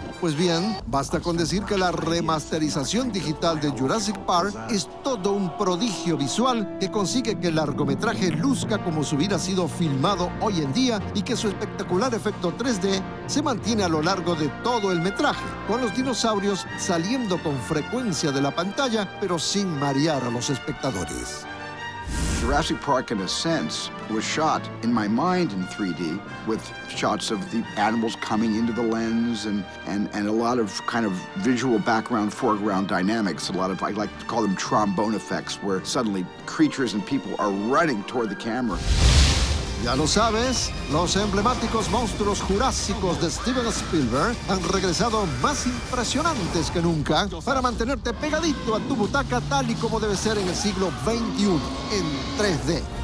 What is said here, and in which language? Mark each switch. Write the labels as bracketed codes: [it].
[es] Pues bien, basta con decir que la remasterización digital de Jurassic Park es todo un prodigio visual que consigue que el largometraje luzca como si hubiera sido filmado hoy en día y que su espectacular efecto 3D se mantiene a lo largo de todo el metraje, con los dinosaurios saliendo con frecuencia de la pantalla, pero sin marear a los espectadores. [en] Jurassic Park, in a sense, was shot in my mind in 3D with shots of the animals coming into the lens and a lot of kind of visual background, foreground dynamics, a lot of, I like to call them trombone effects, where suddenly creatures and people are running toward the camera. [es] Ya lo sabes, los emblemáticos monstruos jurásicos de Steven Spielberg han regresado más impresionantes que nunca para mantenerte pegadito a tu butaca tal y como debe ser en el siglo XXI, en 3D.